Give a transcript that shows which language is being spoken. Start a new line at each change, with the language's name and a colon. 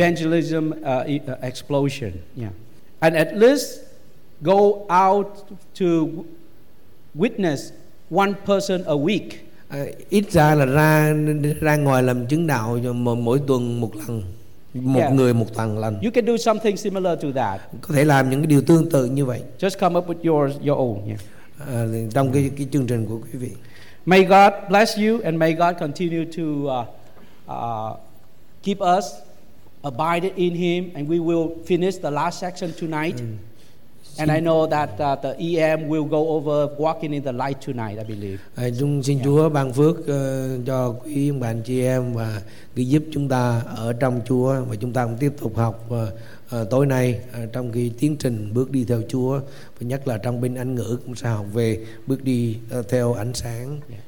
English: Evangelism explosion, yeah. And at least go out to witness one person a week.
Vietnamese: Ít ra là ra ngoài làm chứng đạo mỗi tuần một lần, một yeah. người một tuần lần.
English: You can do something similar to that.
Vietnamese: Có thể làm những cái điều tương tự như vậy.
English: Just come up with your own, yeah.
Vietnamese: Trong cái chương trình của quý vị.
English: May God bless you and may God continue to keep us abided in Him, and we will finish the last section tonight. And I know that the EM will go over walking in the light tonight, I believe.
Vietnamese: Chúng xin Chúa ban phước cho quý ông bà anh chị em và giúp chúng ta ở trong Chúa, và chúng ta cũng tiếp tục học tối nay trong cái tiến trình bước đi theo Chúa, và nhất là trong bên Anh ngữ cũng sẽ học về bước đi theo ánh sáng.